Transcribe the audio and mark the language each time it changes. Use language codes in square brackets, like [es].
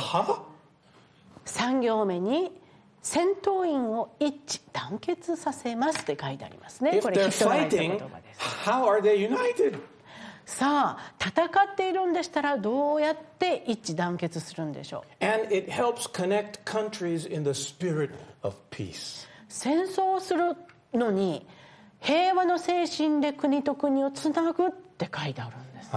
[ja] huh? 3行目に戦闘員を一致団結させますって書いてありますね。 [en] If they're fighting, how are they united? [ja] さあ戦っているんでしたらどうやって一致団結するんでしょう。 [en] And it helps connect countries in the spirit of peace. [ja] 戦争をするのに平和の精神で国と国をつなぐって書いてあるんです。